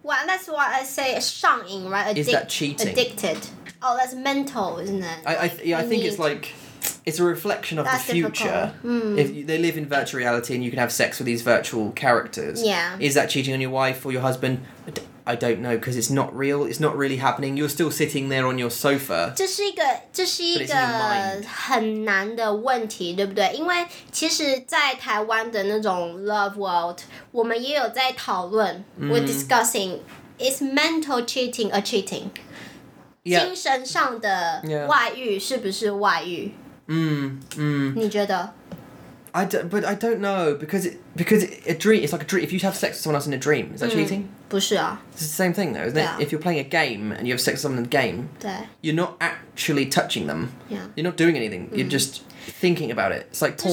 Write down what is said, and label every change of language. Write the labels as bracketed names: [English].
[English] Well, that's what I say, 上瘾, right? Is that cheating? Addicted. Oh, that's mental, isn't it? It's like... It's a reflection of that's the future. If they live in virtual reality and you can have sex with these virtual characters. Yeah. Is that cheating on your wife or your husband? I don't know, because it's not real. It's not really happening. You're still sitting there on your sofa. [Chinese] 这是一个很难的问题，对不对？因为其实在台湾的那种 [English] love world, [Chinese] 我们也有在讨论 [English] we're discussing, [Chinese] is mental cheating a cheating? [English] Yeah. [Chinese] 精神上的外遇是不是外遇？你觉得? [English] I don't know, because a dream, it's like a dream. If you have sex with someone else in a dream, is that cheating? [Chinese] 不是啊。 [English] It's the same thing though, isn't it? If you're playing a game and you have sex with someone in the game, [Chinese] 对。 [English] You're not actually touching them. Yeah. You're not doing anything. You're just thinking about it. It's like porn.